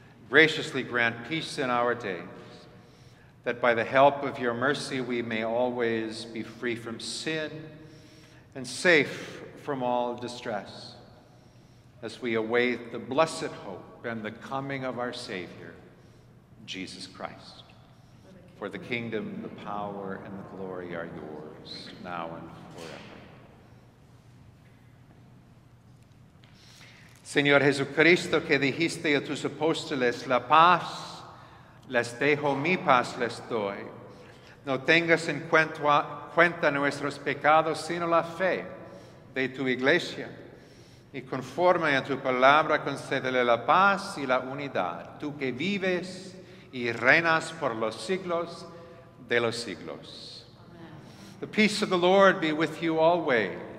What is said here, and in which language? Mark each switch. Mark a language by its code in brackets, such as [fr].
[en] Graciously grant peace in our days, that by the help of your mercy we may always be free from sin and safe from all distress, as we await the blessed hope and the coming of our Savior, Jesus Christ. For the kingdom, the power, and the glory are yours, now and forever. [es] Señor Jesucristo, que dijiste a tus apóstoles, la paz les dejo, mi paz les doy. No tengas en cuenta nuestros pecados, sino la fe de tu iglesia. Y conforme a tu palabra, concédele la paz y la unidad, tú que vives y reinas por los siglos de los siglos. Amen. [en] The peace of the Lord be with you always.